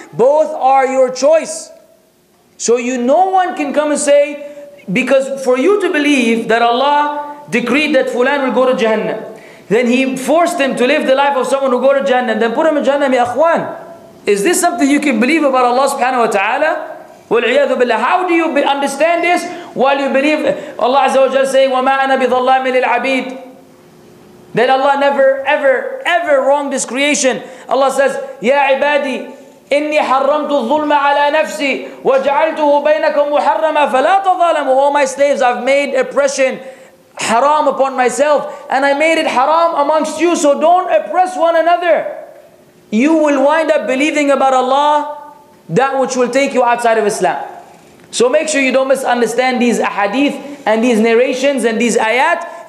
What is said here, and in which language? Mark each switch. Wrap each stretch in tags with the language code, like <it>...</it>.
<en>Both are your choice. So you, no one can come and say, because for you to believe that Allah decreed that Fulan will go to Jahannam, then He forced him to live the life of someone who go to Jannah, then put him in Jannah, ya akhwan. Is this something you can believe about Allah subhanahu wa ta'ala?</en> <ar>وَالْعِيَاذُ بِاللَّهِ.</ar> <en>How do you understand this while you believe Allah Azza wa Jalla saying,</en> <ar>وَمَا أَنَا بِظَلَّامٍ لِلْعَبِيدِ,</ar> <en>that Allah never, ever, ever wronged this creation.</en> <ar>Allah says, يَا عِبَادِي إِنِّي حَرَّمْتُ الظُّلْمَ عَلَى نَفْسِي وَجَعَلْتُهُ بَيْنَكُمْ مُحَرَّمًا فَلَا تَظَالَمُوا.</ar> <en>All my slaves, I've made oppression haram upon myself, and I made it haram amongst you, so don't oppress one another. You will wind up believing about Allah that which will take you outside of Islam. So make sure you don't misunderstand these ahadith and these narrations and these ayat.</en>